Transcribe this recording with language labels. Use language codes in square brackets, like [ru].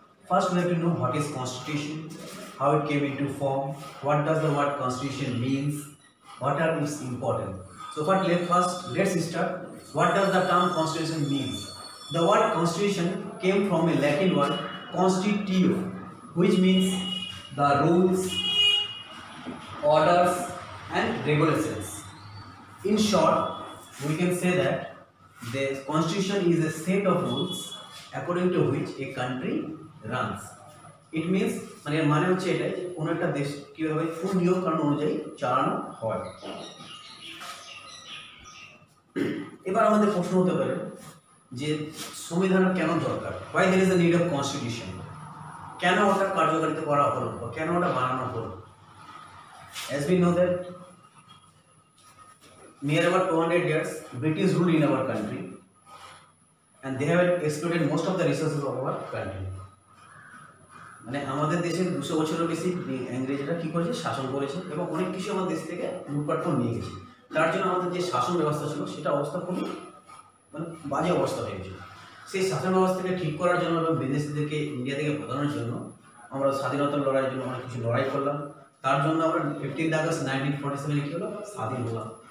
[en] First we have to know what is constitution, how it came into form, what does the word constitution means, what are its important. So first let's start. What does the term constitution mean? The word constitution came from a Latin word constitutio which means the rules, orders and regulations. In short, we can say that the constitution is a set of rules according to which a country runs. It means [bn] মানে মানে হচ্ছে এটা কোন একটা দেশ কিভাবে কোন নিয়ম কানুন অনুযায়ী চালানো হয়। এবার আমাদের প্রশ্ন হতে পারে যে সংবিধান কেন দরকার, [en] why there is a need of constitution, [bn] কেন ওটা কার্যকারিত করা হলো বা কেন ওটা বানানো হলো। [en] As we know that near about 200 years British ruled in our country and they have exploited most of the resources of our country, [bn] মানে আমাদের দেশে 200 বছরের বেশি ইংরেজরা কি করেছে, শাসন করেছে এবং অনেক কিছু আমাদের দেশ থেকে লুটপাট করে নিয়ে গেছে। তার জন্য আমাদের যে শাসন ব্যবস্থা ছিল সেটা অবস্থা খুব মানে বাজে অবস্থা হয়ে গেছিল। সেই শাসন ব্যবস্থাকে ঠিক করার জন্য এবং বিদেশিদেরকে ইন্ডিয়া থেকে বদলানোর জন্য আমরা স্বাধীনতা লড়াইয়ের জন্য অনেক কিছু লড়াই করলাম। তার জন্য আমরা 15th আগস্ট 1947 কি হলো, স্বাধীন হলাম।